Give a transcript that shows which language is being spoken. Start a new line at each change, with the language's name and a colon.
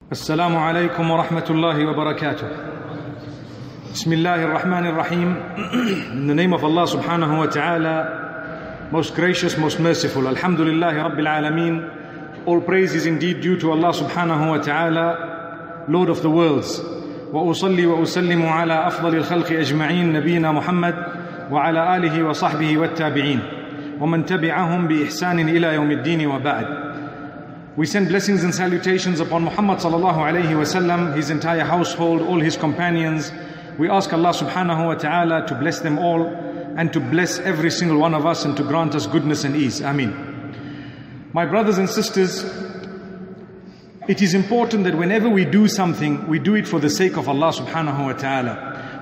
Arabic: السلام عليكم ورحمة الله وبركاته. بسم الله الرحمن الرحيم.
English: In the name of Allah
Arabic: سبحانه وتعالى,
English: most gracious, most merciful.
Arabic: الحمد لله رب العالمين.
English: All praise is indeed due to Allah سبحانه وتعالى, Lord of the worlds.
Arabic: وأصلي وأسلم على أفضل الخلق أجمعين نبينا محمد وعلى آله وصحبه والتابعين ومن تبعهم بإحسان إلى يوم الدين وبعد.
English: We send blessings and salutations upon Muhammad sallallahu alayhi wa sallam, his entire household, all his companions. We ask Allah subhanahu wa ta'ala to bless them all and to bless every single one of us and to grant us goodness and ease. Ameen. My brothers and sisters, it is important that whenever we do something, we do it for the sake of Allah subhanahu wa ta'ala.